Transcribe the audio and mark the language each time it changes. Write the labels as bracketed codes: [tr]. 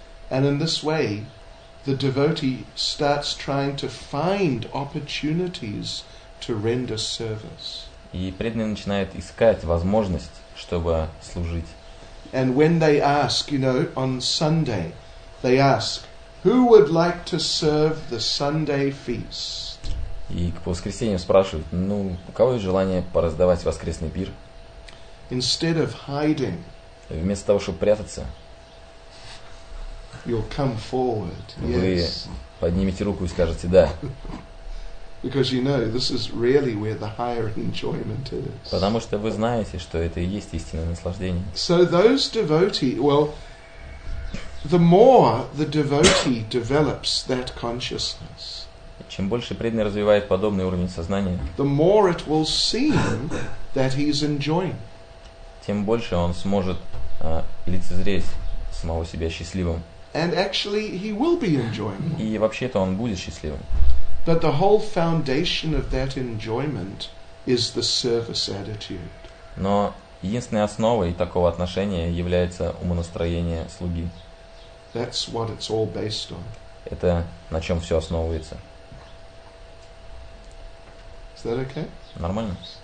[en] And in this way, the devotee starts trying to find opportunities to render service. [ru] И преданный начинает искать возможность, чтобы служить. [en] And when they ask, you know, on Sunday, they ask, who would like to serve the Sunday feast? [ru] И по воскресеньям спрашивают, ну, у кого есть желание пораздавать воскресный пир? [en] Instead of hiding, [ru] вместо того, чтобы прятаться, [en] you'll come forward, yes. [ru] Вы поднимете руку и скажете «да». [en] Because you know, this is really where the higher enjoyment is. [ru] Потому что вы знаете, что это и есть истинное наслаждение. [en] So those devotee, well, the more the devotee develops that consciousness, [ru] чем больше преданный развивает подобный уровень сознания, [en] the more it will seem that he is enjoying. [ru] Тем больше он сможет лицезреть самого себя счастливым. [en] And actually, he will be enjoying. [ru] И вообще-то он будет счастливым. [en] But the whole foundation of that enjoyment is the service attitude. [ru] Но единственной основой такого отношения является умонастроение слуги. [en] That's what it's all based on. [ru] Это на чем все основывается. [en] Is that okay? [ru] Нормально.